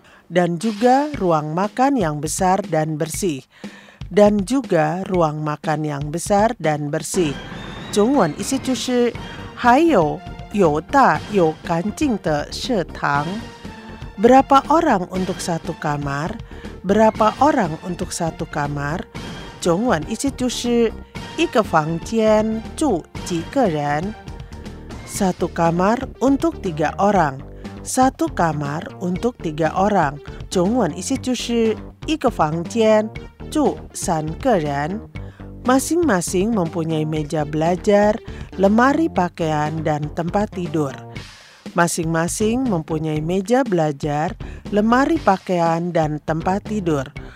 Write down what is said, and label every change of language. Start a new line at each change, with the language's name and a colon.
Indonesian: Dan juga ruang makan yang besar dan bersih. Dan juga ruang makan yang besar dan bersih.
Chinese: 中文意思就是还有有大有干净的食堂。
Indonesian: Berapa orang untuk satu kamar? Berapa orang untuk satu kamar?
Chinese: 中文意思就是 一个房间住几个人?
Indonesian: Satu kamar untuk tiga orang. Satu kamar untuk tiga orang.
Chinese: 中文意思就是 一个房间住三个人.
Indonesian: Masing-masing mempunyai meja belajar, lemari pakaian, dan tempat tidur. Masing-masing mempunyai meja belajar, lemari pakaian, dan tempat tidur.